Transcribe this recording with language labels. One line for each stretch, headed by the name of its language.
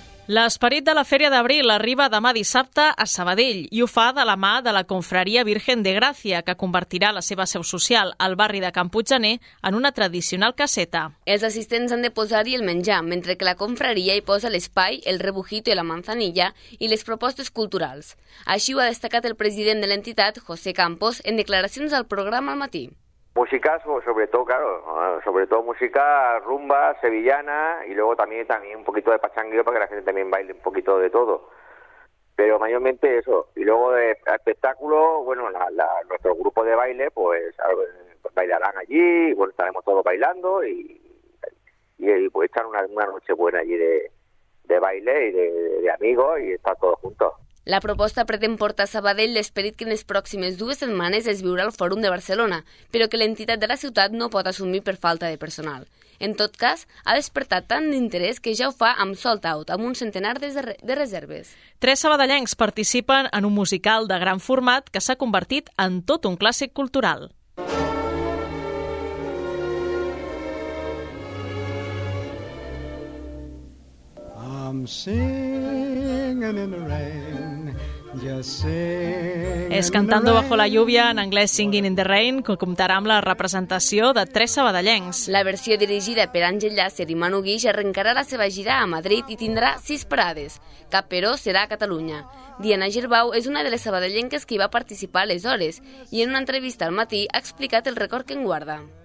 Catalan: L'esperit de la Fèria d'Abril arriba demà dissabte a Sabadell i ho fa de la mà de la Confraria Virgen de Gràcia, que convertirà la seva seu social al barri de Can Puigdener en una tradicional caseta. Els assistents han de posar-hi el menjar, mentre que la confraria hi posa l'espai, el rebujito i la manzanilla i les propostes culturals. Així ho ha destacat el president de l'entitat, José Campos, en declaracions al programa al matí.
Spanish: Músicas, sobre todo música rumba, sevillana y luego también un poquito de pachanguillo para que la gente también baile un poquito de todo. Pero mayormente eso. Y luego de espectáculo, bueno, nuestro grupo de baile pues bailarán allí, y bueno, estaremos todos bailando y pues echar una noche buena allí de baile y de amigos y estar todos juntos.
Catalan: La proposta pretén portar a Sabadell l'esperit que en les pròximes dues setmanes es viurà al Fòrum de Barcelona, però que l'entitat de la ciutat no pot assumir per falta de personal. En tot cas, ha despertat tant d'interès que ja ho fa amb Sold Out, amb un centenar de reserves. Tres sabadellencs participen en un musical de gran format que s'ha convertit en tot un clàssic cultural.
English: I'm singing in the rain, just singing.
Catalan: És Cantando bajo la lluvia, en anglès Singing in the Rain, que comptarà amb la representació de tres sabadellencs. La versió dirigida per Àngel Llàcer i Manu Guix arrencarà la seva gira a Madrid i tindrà 6 parades. Cap, però, serà a Catalunya. Diana Gerbau és una de les sabadellenques que hi va participar aleshores i en una entrevista al matí ha explicat el record que en guarda.